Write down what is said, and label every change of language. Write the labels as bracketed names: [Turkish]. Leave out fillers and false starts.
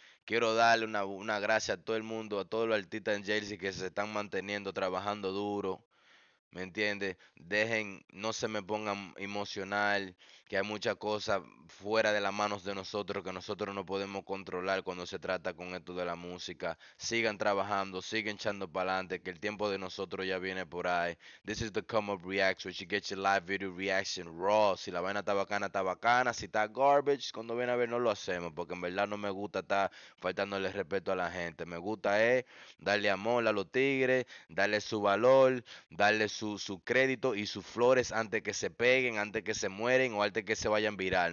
[Spanish] Quiero darle una gracia a todo el mundo, a todos los artistas en Jersey que se están manteniendo trabajando duro. ¿Me entiendes? Dejen, no se me pongan emocional, que hay muchas cosas fuera de las manos de nosotros que nosotros no podemos controlar cuando se trata con esto de la música. Sigan trabajando, sigan echando para adelante, que el tiempo de nosotros ya viene por ahí. [English] This is the come up reaction, where you get your live video reaction raw. [Spanish] Si la vaina está bacana, está bacana. Si está garbage, cuando viene a ver, no lo hacemos, porque en verdad no me gusta estar faltándole respeto a la gente. Me gusta es darle amor a los tigres, darle su valor, darle su crédito y sus flores antes que se peguen, antes que se mueren o antes que se vayan viral.